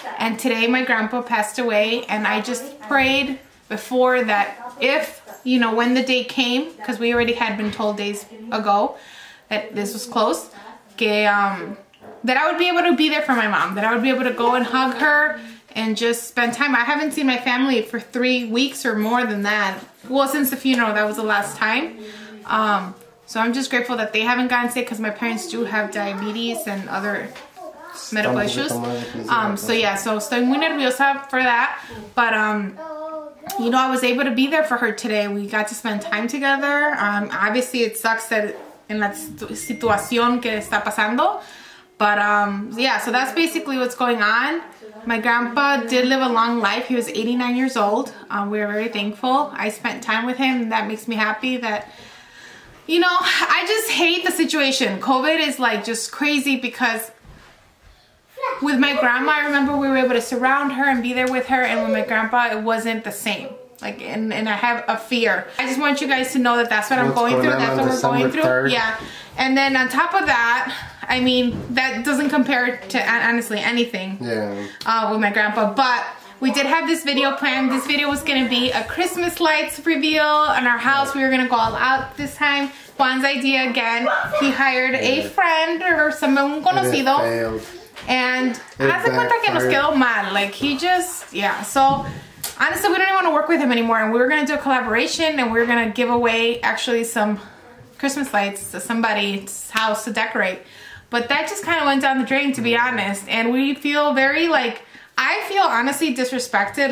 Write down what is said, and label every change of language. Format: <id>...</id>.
<en>And today my grandpa passed away and I just prayed before that if, you know, when the day came, because we already had been told days ago that this was close, que, that I would be able to be there for my mom, that I would be able to go and hug her and just spend time. I haven't seen my family for 3 weeks or more than that. Well, since the funeral, that was the last time. So I'm just grateful that they haven't gotten sick, because my parents do have diabetes and other medical issues.</en> <es>So estoy muy nerviosa</es> <en>for that. But, you know, I was able to be there for her today. We got to spend time together. Obviously, it sucks that in</en> <es>la situación que está pasando.</es> <en>But, yeah, so that's basically what's going on. My grandpa did live a long life. He was 89 years old. We are very thankful. I spent time with him. That makes me happy that, you know, I just hate the situation. COVID is, like, just crazy, because with my grandma, I remember we were able to surround her and be there with her. And with my grandpa, it wasn't the same. Like, and I have a fear. I just want you guys to know that that's what I'm going through. Yeah. And then on top of that, I mean, that doesn't compare to, honestly, anything. Yeah. With my grandpa. But we did have this video planned. This video was going to be a Christmas lights reveal in our house. Right. We were going to go all out this time. Juan's idea again. He hired a friend or someone conocido.</en> <es>And hace cuenta que nos quedó mal.</es> <en>Like, he just, yeah. So, honestly, we don't even want to work with him anymore. And we were going to do a collaboration, and we were going to give away, actually, some Christmas lights to somebody's house to decorate. But that just kind of went down the drain, to be honest. And we feel very, like, I feel honestly disrespected.</en>